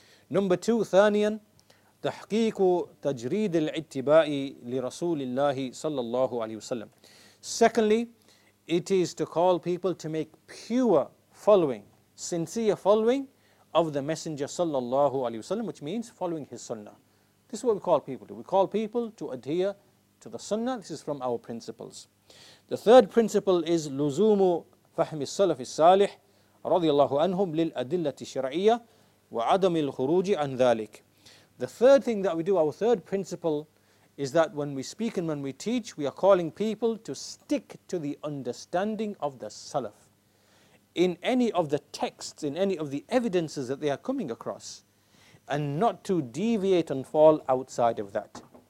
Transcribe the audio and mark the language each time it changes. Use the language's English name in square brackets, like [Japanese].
[English] Number two, [Arabic] thaniyan, تحقيق تجريد الاتباع لرسول الله صلى الله عليه وسلم. [English] Secondly, it is to call people to make pure following, sincere following of the Messenger [Arabic] صلى الله عليه وسلم, [English] which means following his sunnah. This is what we call people to. We call people to adhere to the sunnah. This is from our principles. The third principle is [Arabic] لزوم فهم السلف الصالح رضي الله عنهم للأدلة الشرعية وعدم الخروج عن ذلك. [English] The third thing that we do, our third principle, is that when we speak and when we teach, we are calling people to stick to the understanding of the Salaf in any of the texts, in any of the evidences that they are coming across, and not to deviate and fall outside of that.